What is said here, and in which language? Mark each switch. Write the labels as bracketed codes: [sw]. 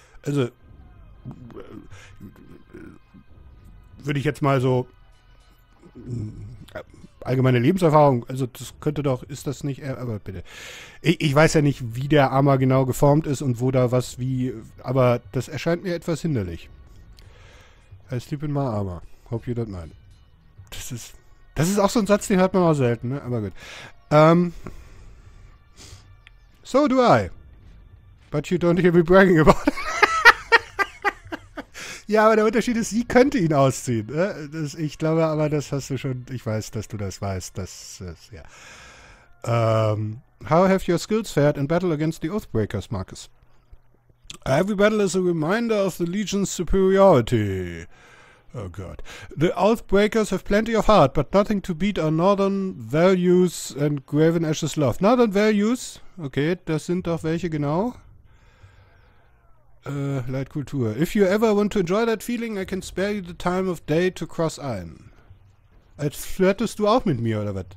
[de] Also, würde ich jetzt mal so, allgemeine Lebenserfahrung, also das könnte doch, ist das nicht eher, aber bitte. Ich weiß ja nicht, wie der Armer genau geformt ist und wo da was wie, aber das erscheint mir etwas hinderlich. [en] I sleep in my armor. Hope you don't mind. [de] Das ist auch so ein Satz, den hört man auch selten, ne? Aber gut. [en] So do I. But you don't hear me bragging about it. [de] Ja, aber der Unterschied ist, sie könnte ihn ausziehen. Ne? Das, ich glaube aber, das hast du schon, ich weiß, dass du das weißt. Das ja. [en] How have your skills fared in battle against the Oathbreakers, Marcus? Every battle is a reminder of the Legion's superiority. Oh God. The Oathbreakers have plenty of heart, but nothing to beat our Northern Values and Graven Ashes love. [de] Northern Values? Okay, das sind doch welche genau. Leitkultur. [en] If you ever want to enjoy that feeling, I can spare you the time of day to cross ein. [de] Als flirtest du auch mit mir, oder was?